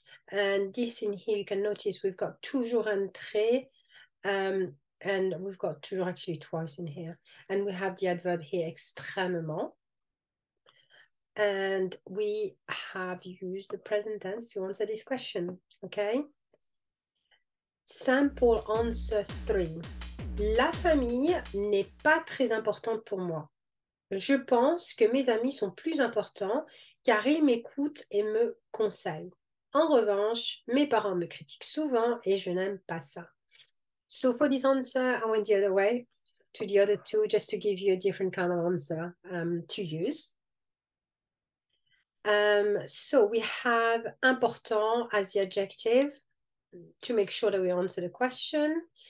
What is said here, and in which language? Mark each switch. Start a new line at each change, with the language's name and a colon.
English: And this in here, you can notice we've got toujours un très, and we've got toujours actually twice in here. And we have the adverb here, extrêmement. And we have used the present tense to answer this question, okay? Sample answer 3.
French: La famille n'est pas très importante pour moi. Je pense que mes amis sont plus importants car ils m'écoutent et me conseillent. En revanche, mes parents me critiquent souvent et je n'aime pas ça.
English: So for this answer, I went the other way to the other two just to give you a different kind of answer to use. So we have important as the adjective to make sure that we answer the question.